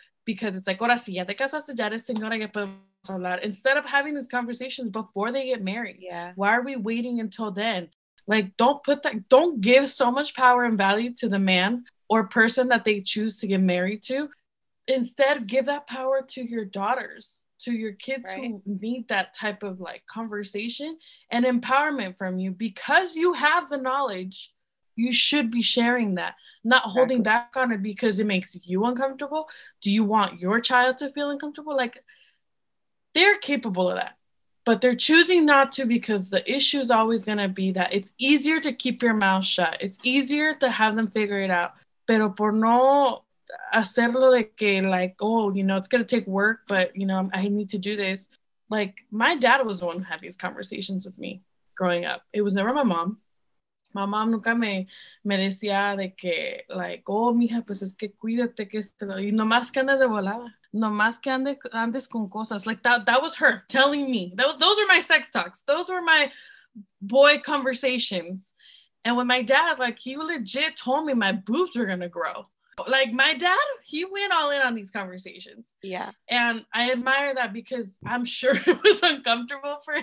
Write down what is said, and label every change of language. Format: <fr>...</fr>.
<en>because it's like,</en> <es>ahora sí, ya te casaste, ya eres señora, ya podemos hablar.</es> <en>Instead of having these conversations before they get married, yeah. Why are we waiting until then? Like, don't give so much power and value to the man or person that they choose to get married to. Instead, give that power to your daughters, to your kids, right, who need that type of like conversation and empowerment from you, because you have the knowledge. You should be sharing that, not holding back on it because it makes you uncomfortable. Do you want your child to feel uncomfortable? Like, they're capable of that, but they're choosing not to, because the issue is always going to be that it's easier to keep your mouth shut. It's easier to have them figure it out.</en> <es>Pero por no hacerlo de que,</es> <en>like, oh, you know, it's going to take work, but, you know, I need to do this. Like, my dad was the one who had these conversations with me growing up. It was never my mom. My mom</en> <es>nunca me decía de que, like, oh, mija, pues es que cuídate, que es que, y nomás que andes de volada, nomás que andes con cosas.</es> <en>Like, that was her telling me. Those are my sex talks. Those were my boy conversations. And when my dad, like, he legit told me my boobs were going to grow. Like, my dad, he went all in on these conversations. Yeah. And I admire that, because I'm sure it was uncomfortable for him.</en>